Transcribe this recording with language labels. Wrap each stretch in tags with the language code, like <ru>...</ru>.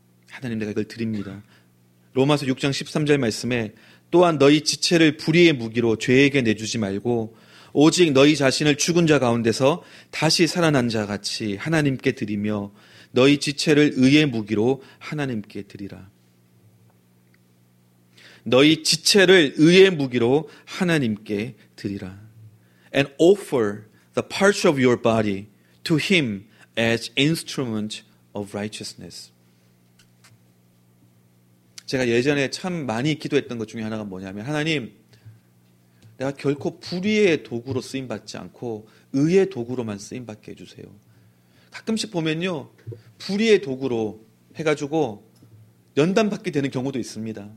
<ko>하나님 내가 이걸 드립니다. 로마서 6장 13절 말씀에 또한 너희 지체를 불의의 무기로 죄에게 내주지 말고 오직 너희 자신을 죽은 자 가운데서 다시 살아난 자 같이 하나님께 드리며 너희 지체를 의의 무기로 하나님께 드리라. 너희 지체를 의의 무기로 하나님께 드리라.</ko> <en>And offer the parts of your body to him as instrument of righteousness.</en> <ko>제가 예전에 참 많이 기도했던 것 중에 하나가 뭐냐면 하나님, 내가 결코 불의의 도구로 쓰임받지 않고 의의 도구로만 쓰임받게 해주세요. 가끔씩 보면요, 불의의 도구로 해가지고 연단받게 되는 경우도 있습니다.</ko>